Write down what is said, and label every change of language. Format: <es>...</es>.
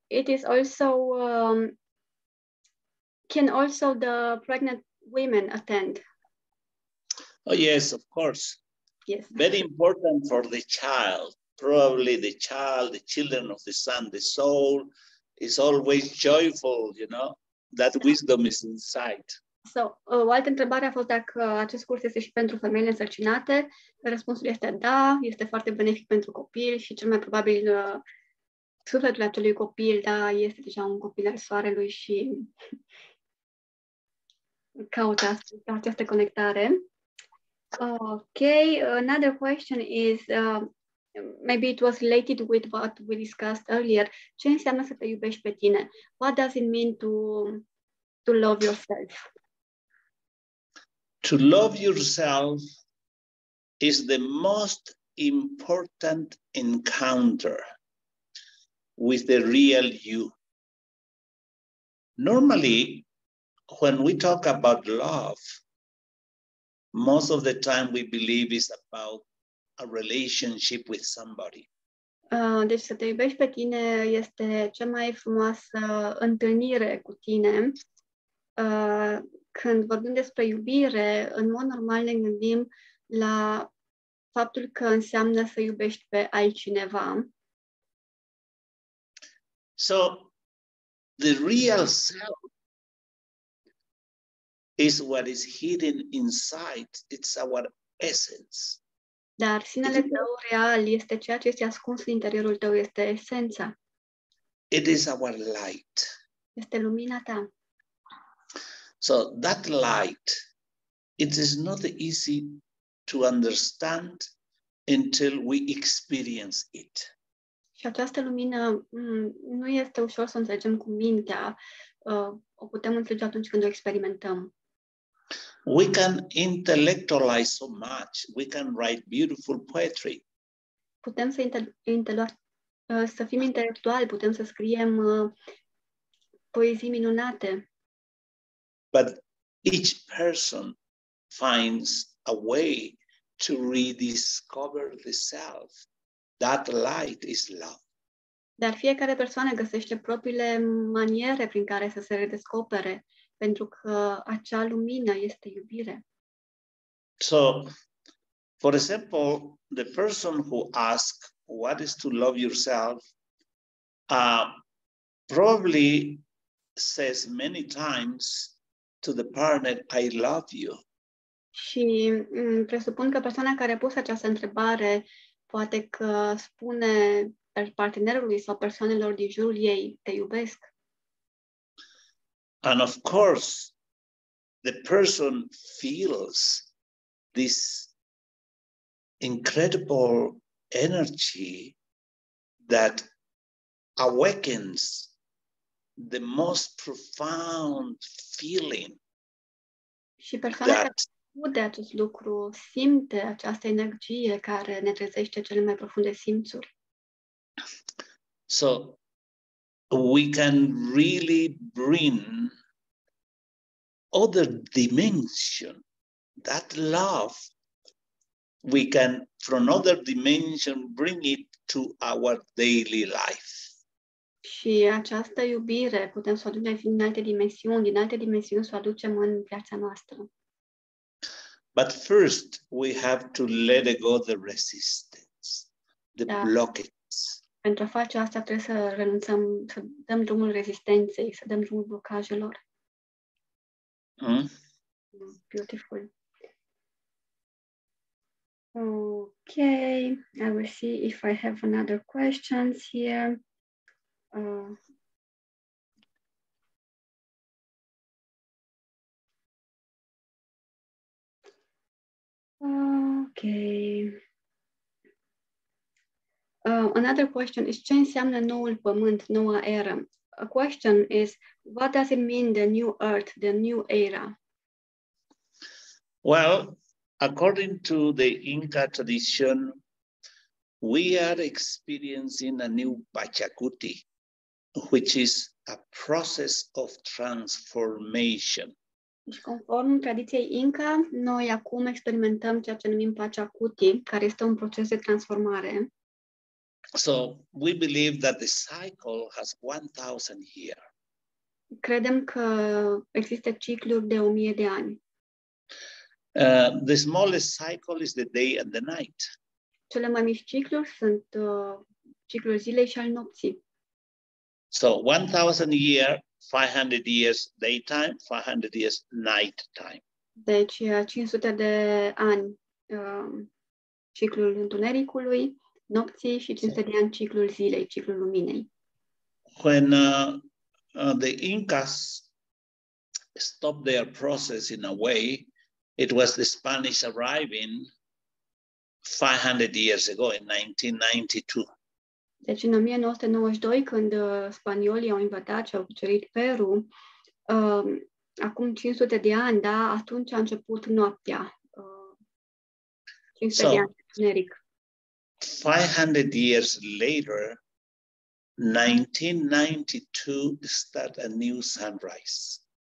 <en>It is also, can also the pregnant women attend? Oh, yes, of course. Yes. Very important for the child. probably the child, the children of the sun, the soul is always joyful, you know, that wisdom is inside.</en> <ro>So, o altă întrebare a fost dacă acest curs este și pentru femeile însărcinate. Răspunsul este da, este foarte benefic pentru copil și cel mai probabil sufletul acelui copil, da, este deja un copil al soarelui și caută această conectare.</ro> <en>Ok, another question is, maybe it was related with what we discussed earlier.</en> <ro>Ce înseamnă să te iubești pe tine?</ro> <en>What does it mean to love yourself? To love yourself is the most important encounter with the real you. Normally, when we talk about love, most of the time we believe it's about a relationship with somebody.</en> <ro>Deci să te iubești pe tine este cea mai frumoasă întâlnire cu tine. Când vorbim despre iubire, în mod normal ne gândim la faptul că înseamnă să iubești pe altcineva.</ro> <en>So, the real self is what is hidden inside. It's our essence.</en> <ro>Dar sinele tău real este ceea ce este ascuns în interiorul tău, este esența.</ro> <en>It is our light.</en> <ro>Este lumina ta.</ro> <en>So that light, it is not easy to understand until we experience it.</en> <ro>Și această lumină nu este ușor să înțelegem cu mintea. O putem înțelege atunci când o experimentăm.</ro> <en>We can intellectualize so much. We can write beautiful poetry.</en> <ro>Putem să să fim intelectuali, putem să scriem poezii minunate.</ro> <en>But each person finds a way to rediscover the self. That light is love.</en> <ro>Dar fiecare persoană găsește propriile maniere prin care să se redescopere, pentru că acea lumină este iubire.</ro> <en>So, for example, the person who asks what is to love yourself, probably says many times to the partner, I love you.</en> <ro>Și presupun că persoana care a pus această întrebare poate că spune partenerului sau persoanelor din jurul ei, te iubesc.</ro> <en>And of course, the person feels this incredible energy that awakens the most profound feeling.</en> <ro>Și persoana care aude acest lucru simte această energie care ne trezește cele mai profunde simțuri.</ro> <en>So we can really bring other dimension, that love, we can from other dimension bring it to our daily life.</en> <ro>Și această iubire putem să o aducem din alte dimensiuni, din alte dimensiuni să o aducem în viața noastră.</ro> <en>But first, we have to let go the resistance, the blockages.</en> <ro>Pentru a face asta, trebuie să renunțăm, să dăm drumul rezistenței, să dăm drumul blocajelor.</ro> <en>Beautiful. Okay, I will see if I have another questions here. Okay. Another question is,</en> <ro>ce înseamnă noul pământ, noua era?</ro> <en>A question is, what does it mean, the new earth, the new era? Well, according to the Inca tradition, we are experiencing a new Pachacuti, which is a process of transformation.</en> <ro>Și conform tradiției Inca, noi acum experimentăm ceea ce numim Pachacuti, care este un proces de transformare.</ro> <en>So, we believe that the cycle has 1,000 years.</en> <ro>Credem că există cicluri de 1,000 de ani.</ro> <en>The smallest cycle is the day and the night.</en> <ro>cele mai mici cicluri sunt ciclul zilei și al nopții.</ro> <en>So 1000 year, 500 years daytime, 500 years night time.</en> <ro>Deci 500 de ani ciclul întunericului, nopții și 500 de ani ciclul zilei, ciclul luminei.</ro> <en>When the Incas stopped their process in a way, it was the Spanish arriving 500 years ago in 1992.</en> <ro>Deci în 1992, când spaniolii au invadat și au cucerit Peru, acum 500 de ani, da, atunci a început noaptea. 500 de ani, Eric.</ro> <en>500 years later, 1992 start a new sunrise.</en>